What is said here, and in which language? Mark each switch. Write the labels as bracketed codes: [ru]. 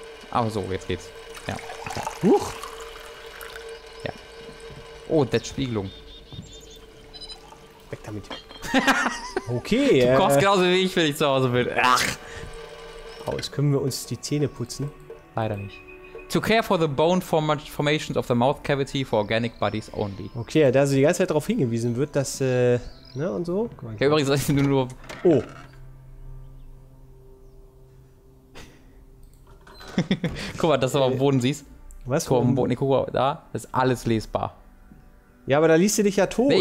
[de] Aber so, jetzt geht's. Ja. Huch! Ja. Oh, das Spiegelung. Weg damit. Okay. Du kochst genauso wie ich, wenn ich zu Hause bin. Ach! Oh, jetzt können wir uns die Zähne putzen. Leider nicht. [en] To care for the bone formations of the mouth cavity for organic bodies only. [de] Okay, da sie die ganze Zeit darauf hingewiesen wird, dass, ne, und so. Guck mal, übrigens, ich nur... Oh. Guck mal, dass du am Boden siehst. Was? Guck mal, am Boden. Nee, guck mal, da ist alles lesbar. Ja, aber da liest du dich ja tot. Nee,